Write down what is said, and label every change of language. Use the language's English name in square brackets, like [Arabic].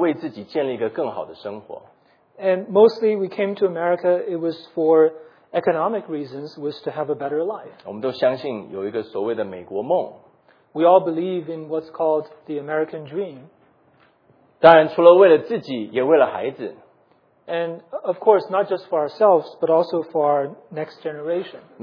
[Chinese] 我们多半来到美国是为了能够为自己建立一个更好的生活。 [English] And mostly we came to America, it was for economic reasons, was to have a better life. [Chinese] 我们都相信有一个所谓的美国梦。 [English] We all believe in what's called the American dream. [Chinese] 当然除了为了自己, [English] And of course, not just for ourselves, but also for our next generation.